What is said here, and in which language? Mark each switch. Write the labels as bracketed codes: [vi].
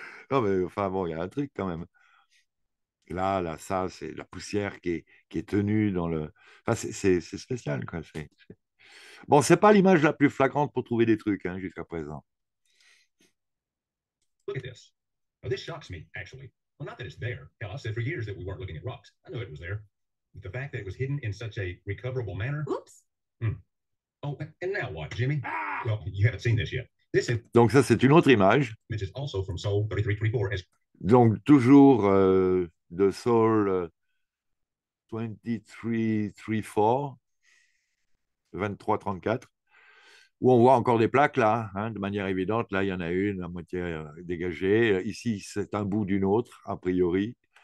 [fr] Non, mais enfin, bon, il y a un truc quand même. Là, ça, c'est la poussière qui est tenue dans le... Enfin, c'est spécial, quoi. Bon, c'est pas l'image la plus flagrante pour trouver des trucs, hein, jusqu'à présent. [en] Look at this. Oh, this shocks me, actually. Well, not that it's there. Hell, I said for years that we weren't looking at rocks. I knew it was there. But the fact that it was hidden in such a recoverable manner... Oops. Mm. Oh, and now what, Jimmy? Ah! Well, you haven't seen this yet. This is... [fr] Donc, ça, c'est une autre image. [en] Which is also from Seoul 3334 as... [fr] Donc, toujours de Seoul 2334, où on voit encore des plaques, là, hein, de manière évidente. Là, il y en a une à moitié dégagée. Ici, c'est un bout d'une autre, a priori.